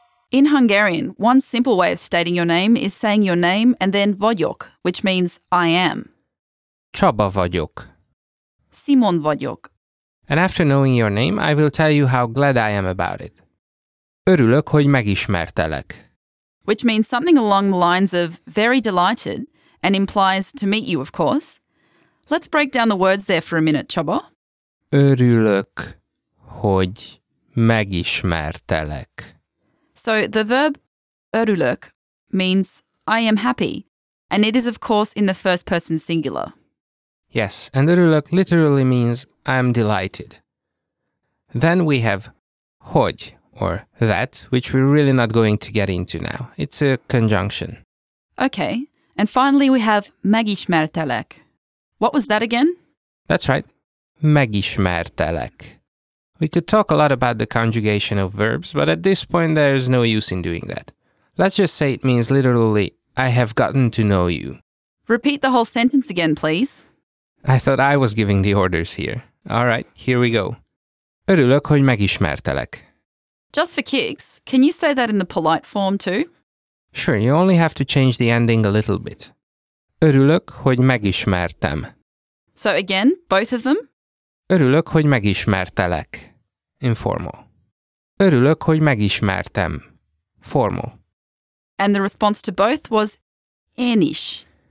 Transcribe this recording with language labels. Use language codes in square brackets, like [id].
[en] In Hungarian, one simple way of stating your name is saying your name and then vagyok, which means I am. [hu] Csaba vagyok. Simon vagyok. [en] And after knowing your name, I will tell you how glad I am about it. [hu] Örülök, hogy megismertelek. [en] Which means something along the lines of very delighted and implies to meet you, of course. Let's break down the words there for a minute, Csaba. [hu] Örülök, hogy megismertelek. [en] So the verb örülök means I am happy, and it is of course in the first person singular. Yes, and örülök literally means I am delighted. Then we have hogy, or that, which we're really not going to get into now. It's a conjunction. Okay, and finally we have megismertelek. What was that again? That's right, megismertelek. We could talk a lot about the conjugation of verbs, but at this point there's no use in doing that. Let's just say it means literally, I have gotten to know you. Repeat the whole sentence again, please. I thought I was giving the orders here. All right, here we go. [hu] Örülök, hogy megismertelek. [en] Just for kicks, can you say that in the polite form too? Sure, you only have to change the ending a little bit. [hu] Örülök, hogy megismertem. [en] So again, both of them? [hu] Örülök, hogy megismertelek. Informal. Örülök, hogy megismertem. [en] Formal. And the response to both was [hu] én is.